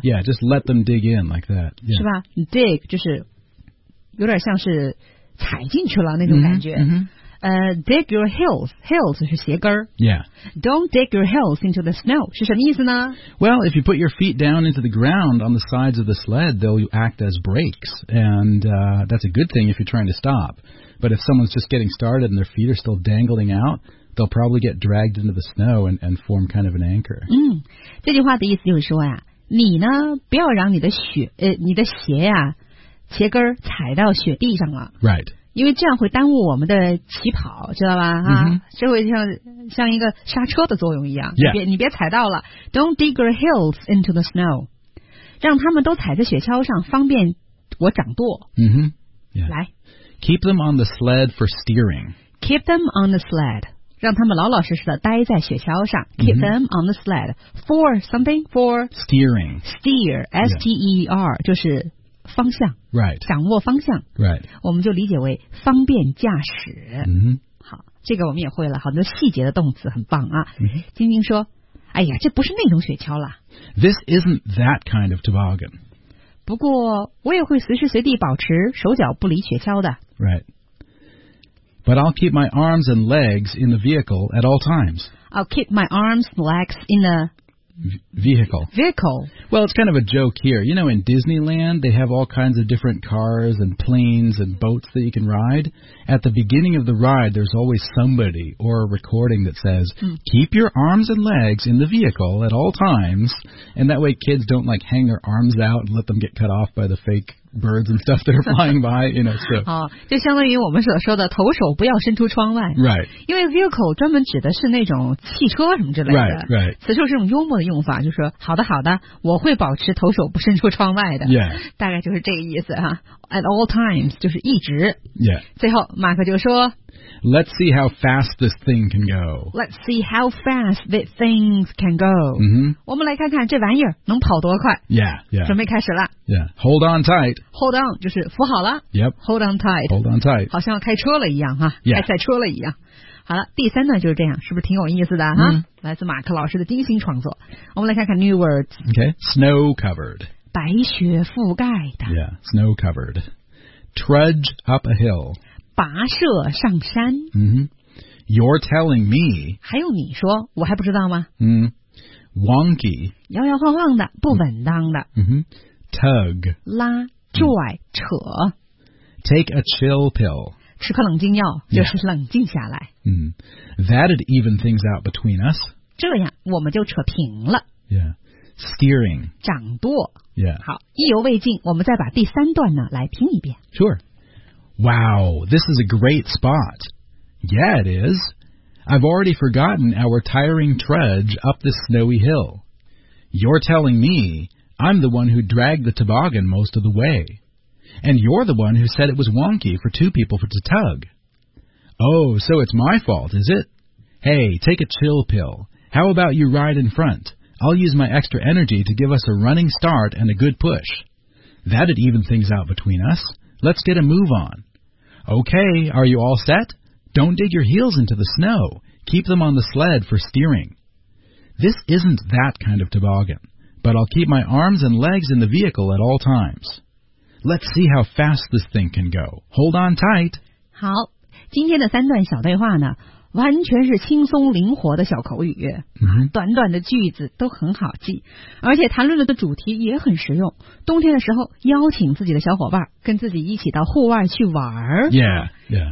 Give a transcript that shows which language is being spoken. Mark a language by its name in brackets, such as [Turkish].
[English] Yeah, just let them dig in like that.、Yeah. [Chinese] 是吧 Dig, 就是有点像是踩进去了那种感觉。 Mm-hmm. [English] Dig your heels. Heels 是鞋跟。 Yeah. Don't dig your heels into the snow. [Chinese] 是什么意思呢 [English] Well, if you put your feet down into the ground on the sides of the sled, they'll act as brakes. And、that's a good thing if you're trying to stop. But if someone's just getting started and their feet are still dangling out,They'll probably get dragged into the snow and form kind of an anchor. [Chinese] 嗯，这句话的意思就是说呀，你呢，不要让你的鞋呀，鞋跟踩到雪地上了。 [English] Right. [Chinese] 因为这样会耽误我们的起跑，知道吧？啊，这会像一个刹车的作用一样。 [English] Yeah. [Chinese] 你别踩到了。 [English] Don't dig your heels into the snow. [Chinese] 让他们都踩在雪橇上，方便我掌舵。 [English] 嗯哼。Yeah. [Chinese] 来。 [English] Keep them on the sled for steering. Keep them on the sled. [Chinese] 让他们老老实实的待在雪橇上。 [English] Keep them on the sled. For something? For steering. Steer. S-T-E-R. [Chinese] 就是方向。 [English] Right. [Chinese] 掌握方向。 [English] Right. [Chinese] 我们就理解为方便驾驶。 Mm-hmm. 好，这个我们也会了，好多细节的动词，很棒啊。晶晶说，哎呀，这不是那种雪橇了。 [English] This isn't that kind of toboggan. [Chinese] 不过我也会随时随地保持手脚不离雪橇的。 [English] Right. But I'll keep my arms and legs in the vehicle at all times. I'll keep my arms and legs in the vehicle. Vehicle. Well, it's kind of a joke here. You know, in Disneyland, they have all kinds of different cars and planes and boats that you can ride. At the beginning of the ride, there's always somebody or a recording that says, keep your arms and legs in the vehicle at all times. And that way kids don't, like, hang their arms out and let them get cut off by the fake birds and stuff that are flying by, you know. So. [Chinese] 好，就相当于我们所说的头手不要伸出窗外。 [English] Right. [Chinese] 因为 vehicle 专门指的是那种汽车什么之类的。 [English] Right, right. [Chinese] 此处是用幽默的用法，就是说好的好的，我会保持头手不伸出窗外的。 [English] Yeah. [Chinese] 大概就是这个意思哈。 [English] At all times, [Chinese] 就是一直。 [English] Yeah. [Chinese] 最后马克就说 [English] Let's see how fast this thing can go. Let's see how fast these things can go. 嗯哼。 [Chinese] 我们来看看这玩意儿能跑多快。 [English] Yeah, yeah. [Chinese] 准备开始了。 [English] Yeah. Hold on tight. [Chinese] Hold on, 就是扶好了。 [English] Yep. Hold on tight. Hold on tight. [Chinese] 好像要开车了一样哈。 [English] Yeah. [Chinese] 开赛车了一样。好了，第三呢就是这样，是不是挺有意思的哈？来自马克老师的精心创作。我们来看看 [English] new words. Okay. Snow covered. [Chinese] 白雪覆盖的 [English] Yeah, snow covered. Trudge up a hill. [Chinese] 跋涉上山 [English] Mm-hmm. You're telling me. [Chinese] 还有你说我还不知道吗 [English] Mm-hmm. Wonky. [Chinese] 摇摇晃晃的不稳当的 [English] Mm-hmm. Tug. [Chinese] 拉拽扯 [English] Take a chill pill. [Chinese] 吃颗冷静药就是冷静下来 [English] Mm-hmm. That'd even things out between us. [Chinese] 这样我们就扯平了 [English] Yeah. Steering. [Chinese] 掌舵。 [English] Yeah. [Chinese] 好，意犹未尽，我们再把第三段呢来听一遍。 [English] Sure. Wow, this is a great spot. Yeah, it is. I've already forgotten our tiring trudge up this snowy hill. You're telling me I'm the one who dragged the toboggan most of the way. And you're the one who said it was wonky for two people to tug. Oh, so it's my fault, is it? Hey, take a chill pill. How about you ride in front? I'll use my extra energy to give us a running start and a good push. That'd even things out between us. Let's get a move on. Okay, are you all set? Don't dig your heels into the snow. Keep them on the sled for steering. This isn't that kind of toboggan, but I'll keep my arms and legs in the vehicle at all times. Let's see how fast this thing can go. Hold on tight. [Chinese] 好，今天的三段小对话呢完全是轻松灵活的小口语、短短的句子都很好记，而且谈论的主题也很实用。冬天的时候邀请自己的小伙伴跟自己一起到户外去玩 [English] yeah, yeah.